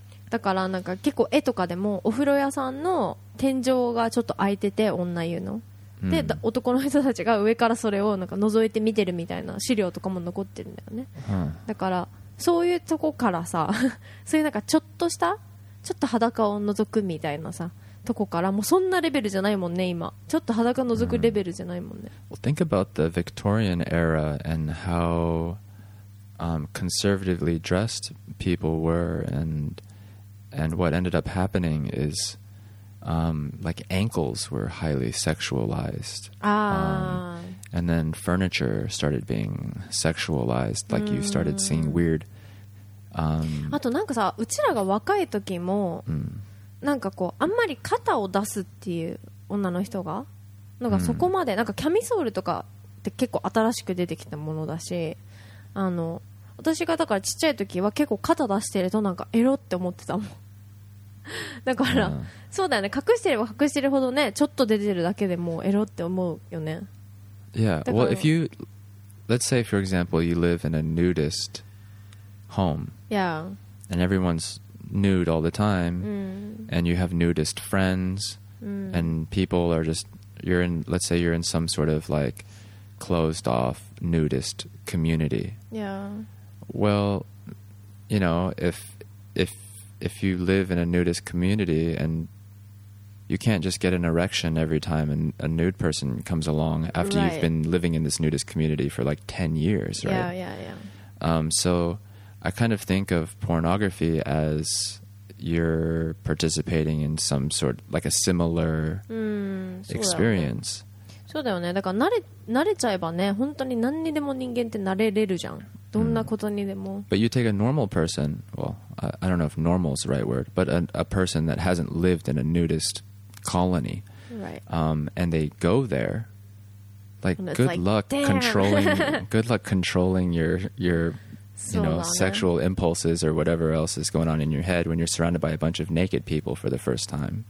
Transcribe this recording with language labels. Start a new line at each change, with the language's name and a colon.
Japanese: だからなんか結構絵とかでもお風呂屋さんの天井がちょっと開いてて女優の、で男の人たちが上からそれをなんか覗いて見てるみたいな資料とかも残ってるんだよね。だからそういうとこからさそういうなんかちょっとしたちょっと裸を覗くみたいなさとこからもうそんなレベルじゃないもんね、今ちょっと裸覗くレベルじゃないもんね。
English: Well, think about the Victorian era and how conservatively dressed people were, and what ended up happening is like ankles were highly sexualized. And then furniture started being sexualized. Like you started seeing weird.
Japanese: あとなんかさ、うちらが若い時も、なんかこうあんまり肩を出すっていう女の人がなんかそこまで、なんかキャミソールとかって結構新しく出てきたものだし、あの、私がだからちっちゃい時は結構肩出してるとなんかエロって思ってたもん。だから、そうだよね、隠してれば隠してるほどね、ちょっと出てるだけでもうエロって思うよね。
English: Yeah, well, if you, let's say for example you live in a nudist home, yeah, and everyone's nude all the time, and you have nudist friends, and people are just, you're in, let's say you're in some sort of like closed off nudist community, yeah, well, you know, if you live in a nudist community and you can't just get an erection every time a nude person comes along after you've been living in this nudist community for like 10 years, right? Yeah, yeah, yeah. So I kind of think of pornography as you're participating in some sort, like a similar experience.
Japanese: そうだよね。だから慣れちゃえばね、本当に何にでも人間って慣れれるじゃん。どんなことにでも。
English: But you take a normal person, well, I don't know if normal is the right word, but a person that hasn't lived in a nudist colony, right? And they go there, like, good luck controlling, good luck controlling your, you know, sexual impulses or whatever else is going on in your head when you're surrounded by a bunch of naked people for the first time.